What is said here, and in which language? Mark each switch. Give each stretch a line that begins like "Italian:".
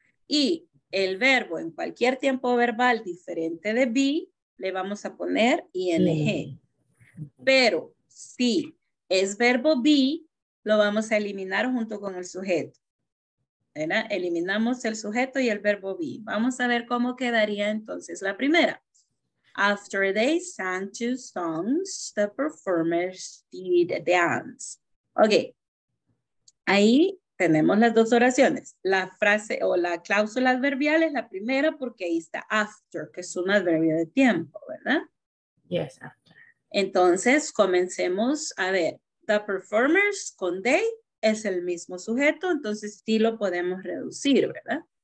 Spanish: Y el verbo en cualquier tiempo verbal diferente de be, le vamos a poner ing. Mm-hmm. Pero si es verbo be, lo vamos a eliminar junto con el sujeto. ¿Verdad? Eliminamos el sujeto y el verbo be. Vamos a ver cómo quedaría entonces la primera.
English: After they sang two songs, the performers did dance.
Spanish: Ok. Ahí tenemos las dos oraciones. La frase o la cláusula adverbial es la primera porque ahí está after, que es un adverbio de tiempo, ¿verdad?
English: Yes, after.
Spanish: Entonces, comencemos a ver.
English: The performers
Spanish: con they es el mismo sujeto, entonces sí lo podemos reducir, ¿verdad?